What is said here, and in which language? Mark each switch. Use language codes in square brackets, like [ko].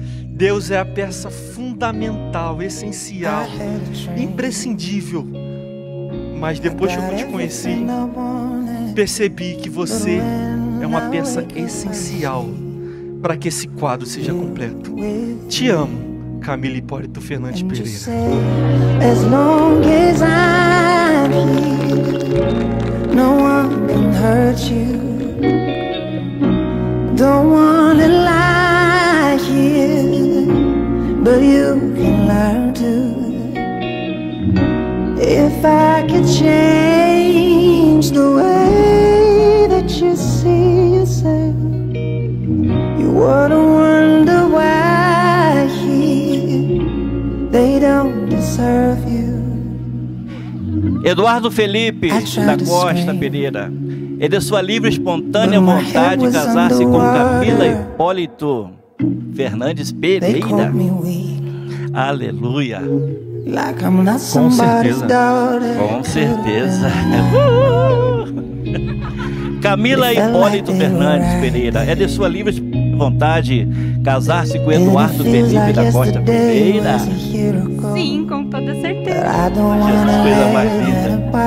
[pt] Deus é a peça fundamental, essencial, imprescindível. Mas depois que eu te conheci, percebi que você é uma peça essencial para que esse quadro seja completo. Te amo, Camila Hipólito Fernandes Pereira. [en] As long as I live, no one can hurt you. Don't wanna lie here, but you can learn to. If I could change the way that you see yourself, you wouldn't wonder why here they don't deserve you. [pt] Eduardo Felipe da Costa Pereira, é de sua livre e espontânea vontade casar-se com Camila Hipólito Fernandes Pereira. Aleluia. [en] Like I'm not somebody's daughter. [pt] Com certeza. Camila Hipólito Fernandes Pereira, é de sua livre vontade casar-se com Eduardo Felipe da Costa Pereira? Sim, com toda certeza. Mas é uma coisa mais linda.